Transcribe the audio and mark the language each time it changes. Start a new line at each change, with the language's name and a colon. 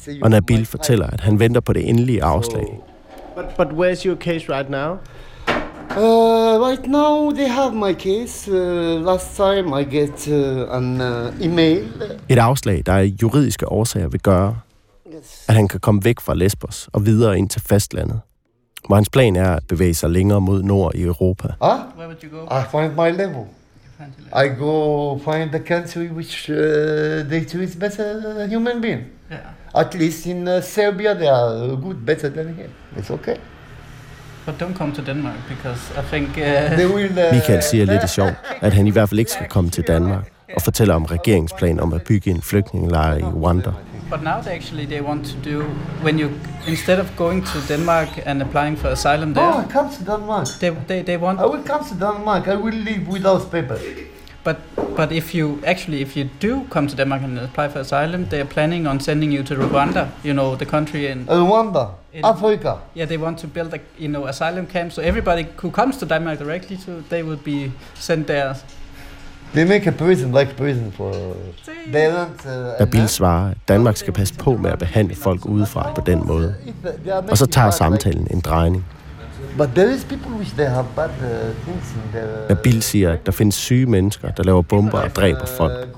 Danish: Og Nabil fortæller, at han venter på det endelige afslag.
English: But where's your case right now? Right now they have my case. Last time I get an email.
Danish: Et afslag, der er juridiske årsager vil gøre, at han kan komme væk fra Lesbos og videre ind til fastlandet, hvor hans plan er at bevæge sig længere mod nord i Europa.
English: Ah? Where would you go? I find my level. I go find the country which they treat better human being. Yeah. At least in Serbia they are good, better than here. It's okay. But don't come to Denmark, because I think...
Danish: Michael siger lidt i sjov, at han i hvert fald ikke skal komme til Danmark og fortæller om regeringsplan om at bygge en flygtningelejr i Rwanda.
English: But now they actually they want to do when you instead of going to Denmark and applying for asylum there. Oh, I come to Denmark. They want. I will come to Denmark. I will leave without papers. But if you actually if you do come to Denmark and apply for asylum, they are planning on sending you to Rwanda. You know the country in Rwanda. Africa. Yeah, they want to build a you know asylum camp, so everybody who comes to Denmark directly, so they would be sent there. They make a prison like prison for. They don't.
Danish: Nabil svarer, at Danmark skal passe på med at behandle folk udefra på den måde. Og så tager samtalen en drejning.
English: But there is people which they have bad things in their.
Danish: Nabil siger, at der findes syge mennesker, der laver bomber og dræber folk.